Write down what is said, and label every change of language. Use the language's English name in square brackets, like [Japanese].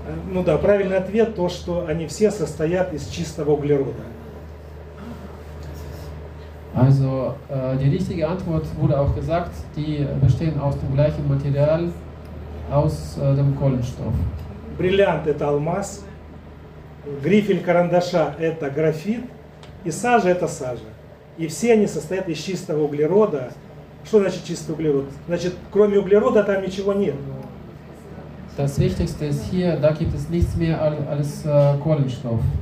[Russian] Ну да, правильный ответ то, что они все состоят из чистого углерода. [German] Also die richtige Antwort wurde auch gesagt, die bestehen aus dem gleichen Material, aus dem Kohlenstoff. [Russian] Бриллиант это алмаз, грифель карандаша это графит, и сажа это сажа. И все они состоят из чистого углерода. Что значит чистый углерод? Значит, кроме углерода там ничего нет. [German] Das Wichtigste ist hier, da gibt es nichts mehr als Kohlenstoff.